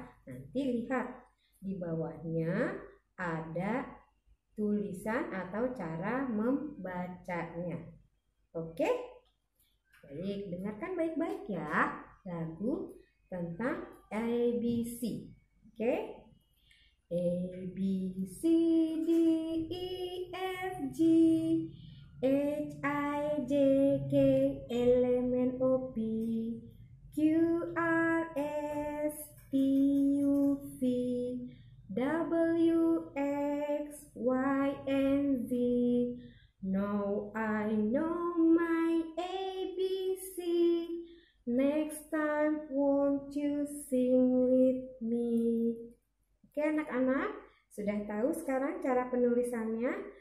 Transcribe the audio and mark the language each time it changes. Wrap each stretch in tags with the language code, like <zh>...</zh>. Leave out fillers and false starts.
<id>Nanti lihat di bawahnya ada tulisan atau cara membacanya. Oke? Baik, dengarkan baik-baik ya lagu tentang ABC. Oke?</id> <en>A B C D E F G H I J K L M N O P Q R S T U V W X Y and Z. Now I know my A B C. Next time won't you sing with me?</en> <id>Oke, anak-anak, sudah tahu sekarang cara penulisannya?</id>